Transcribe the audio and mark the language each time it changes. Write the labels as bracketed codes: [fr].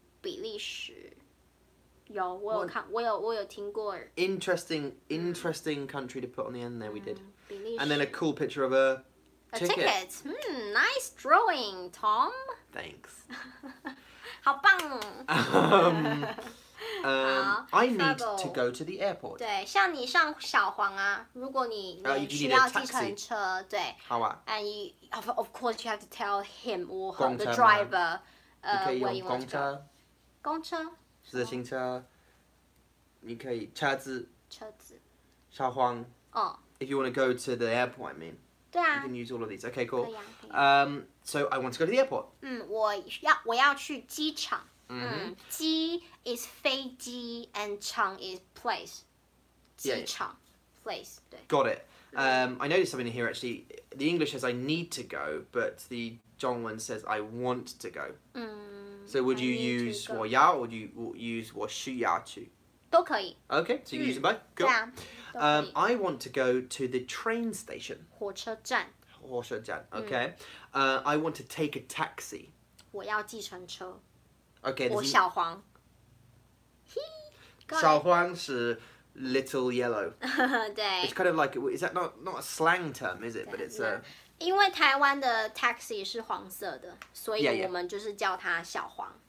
[zh] 比利时 有, 我有看, 我有听过 [en] Interesting country to put on the end there, we did [zh] 比利时. [en] And then a cool picture of a ticket. Nice drawing, Tom. Thanks. [zh] 好棒 [en] I need to go to the airport. [zh] 对，像你上小黄啊， 如果你需要计程车， 对。好啊。 [en] And you, of course you have to tell him or her, the driver, where you want to go. [zh] 公车。自行车。你可以车子。车子。小黄。 [en] If you want to go to the airport, I mean. [zh] 对啊。 [en] You can use all of these. Okay, cool. So I want to go to the airport. [zh] 我要去机场。 [en] Ji is 飞机 and Chang is place. [zh] 机场, place. 对. [en] Got it. I noticed something here actually. The English says I need to go, but the Zhong one says I want to go. So would you use 我要 or do you use [zh] 我需要去? 都可以. [en] Okay, so you use it both. Cool. Yeah, I want to go to the train station. [zh] 火车站. 火车站, [en] okay. I want to take a taxi. [zh] 我要计程车. [en] Okay. [zh] 我小黄. Hee. 小黄是 [en] little yellow. [zh] 对. [en] It's kind of like, is that not a slang term, is it? But it's a... [zh] 因为台湾的 taxi 是黄色的, 所以我们就是叫它小黄.